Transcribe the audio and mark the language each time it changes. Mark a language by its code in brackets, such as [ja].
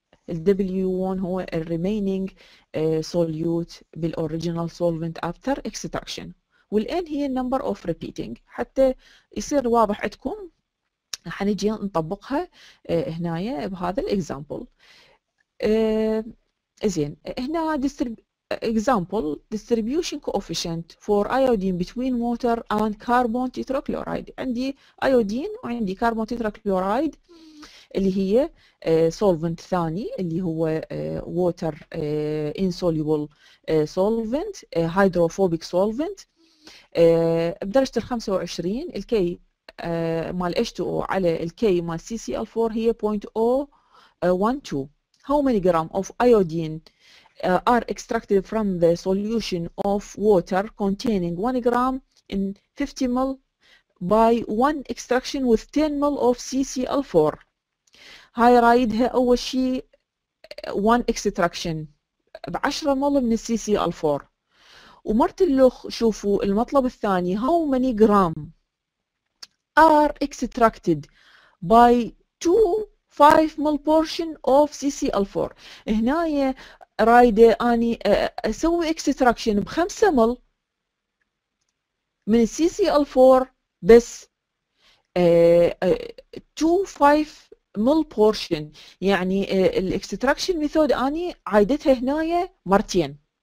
[en] ال W1 هو ال remaining solute بال original solvent after extraction. وال N هي number of repeating. [ar] حتى يصير واضح عندكم راح نجي نطبقها هنا بهذا ال example. زين هنا [en] example distribution coefficient for iodine between water and carbon tetrachloride. [ar] عندي iodine وعندي carbon tetrachloride اللي هي solvent ثاني اللي هو [en] water insoluble solvent hydrophobic solvent [ar] بدرجة 25 الـ K مال H2O على الـ K مال CCl4 هي 0.012. [en] How many gram of iodine are extracted from the solution of water containing 1 gram in 50 ml by 1 extraction with 10 ml of CCl4. [ar] هاي رايدها اول شيء 1 extraction ب 10 ml من CCl4. ومرت اللوخ شوفوا المطلب الثاني [en] how many gram are extracted by 2.5 ml portion of CCl4. [ar] هنا رايده اني اسوي اكستراكشن ب 5 مل من السي سي ال 4 بس 2.5 مل بورشن، يعني الاكستراكشن ميثود اني عايدتها هنا مرتين.